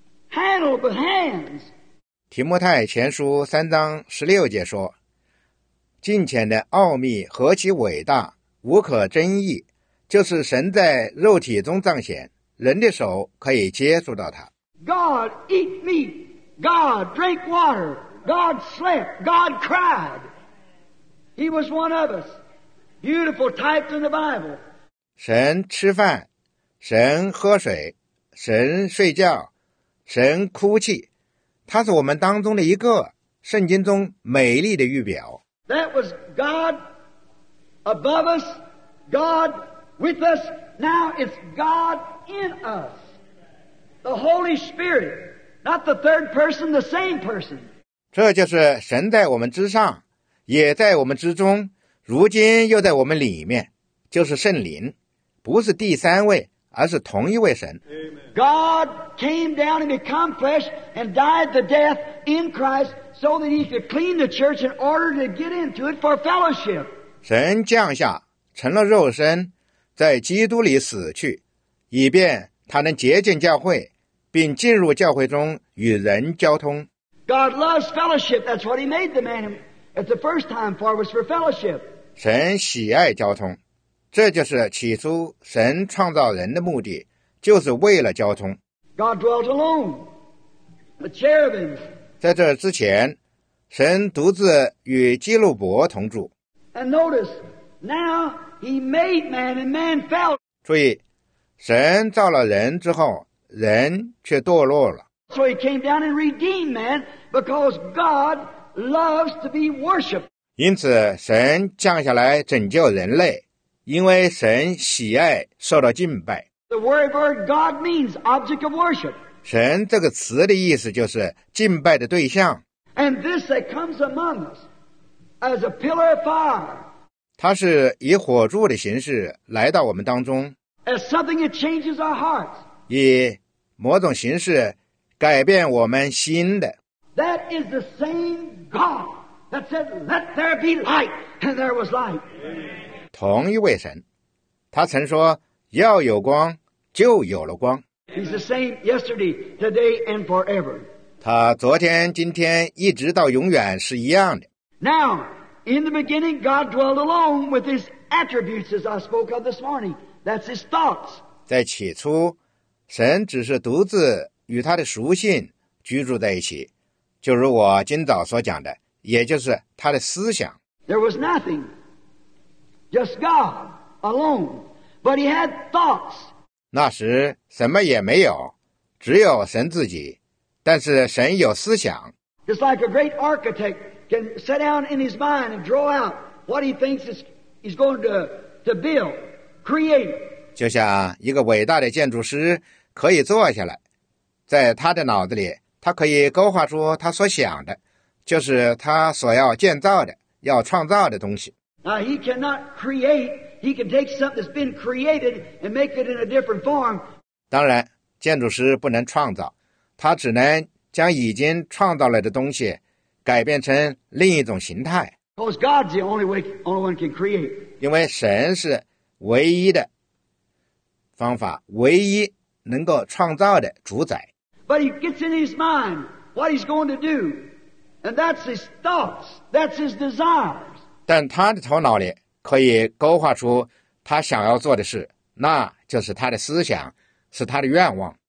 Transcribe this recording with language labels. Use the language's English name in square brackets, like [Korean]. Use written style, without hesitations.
[English] Handled with hands. [Chinese] 提摩太前书三章十六节说，近前的奥秘何其伟大，无可争议，就是神在肉体中彰显，人的手可以接触到他。 [English] God eat meat, God drank water, God slept, God cried. He was one of us. Beautiful type in the Bible. [Chinese] 神吃饭，神喝水，神睡觉，神哭泣。他是我们当中的一个，圣经中美丽的预表。 [English] That was God above us, God with us, now it's God in us. The Holy Spirit, not the third person, the same person. [Chinese] 这就是神在我们之上，也在我们之中，如今又在我们里面，就是圣灵，不是第三位，而是同一位神。 [English] God came down and became flesh and died the death in Christ so that he could clean the church in order to get into it for fellowship. [Chinese] 神降下，成了肉身，在基督里死去，以便他能洁净教会，并进入教会中与人交通。 [English] God loves fellowship. That's what he made the man at the first time for, was for fellowship. [Chinese] 神喜爱交通，这就是起初神创造人的目的，就是为了交通。 [English] God dwelt alone, the cherubims. [Chinese] 在这之前，神独自与基路伯同住。 [English] And notice, now he made man and man fell. [Chinese] 注意，神造了人之后，人却堕落了。 [English] So he came down and redeemed man because God loves to be worshipped. [Chinese] 因此，神降下来拯救人类，因为神喜爱受到敬拜。 [English] The word God means object of worship. [Chinese] 神这个词的意思就是敬拜的对象。 [English] And this that comes among us as a pillar of fire. [Chinese] 它是以火柱的形式来到我们当中。 [English] As something that changes our hearts. [Chinese] 以某种形式改变我们心的。 [English] That is the same God that said, "Let there be light," and there was light. [Chinese] 同一位神，他曾说要有光，就有了光。 [English] He's the same yesterday, today, and forever. [Chinese] 他昨天、今天、一直到永远是一样的。 [English] Now, in the beginning, God dwelt alone with His attributes, as I spoke of this morning. That's His thoughts. [Chinese] 在起初，神只是独自与他的属性居住在一起，就如我今早所讲的，也就是他的思想。 [English] There was nothing, just God alone. But he had thoughts. [Chinese] 那时什么也没有，只有神自己，但是神有思想。 [English] Just like a great architect can sit down in his mind and draw out what he thinks he's going to build, create. [Chinese] 就像一个伟大的建筑师可以坐下来，在他的脑子里，他可以勾画出他所想的，就是他所要建造的，要创造的东西。 [English] Now he cannot create. He can take something that's been created and make it in a different form. [Chinese] 当然，建筑师不能创造，他只能将已经创造了的东西改变成另一种形态。 [English] Because God's the only one can create. [Chinese] 因为神是唯一的方法，唯一能够创造的主宰。 [English] But he gets in his mind what he's going to do, and that's his thoughts, that's his desires. [Chinese] 但他的头脑里可以勾画出他想要做的事，那就是他的思想，是他的愿望。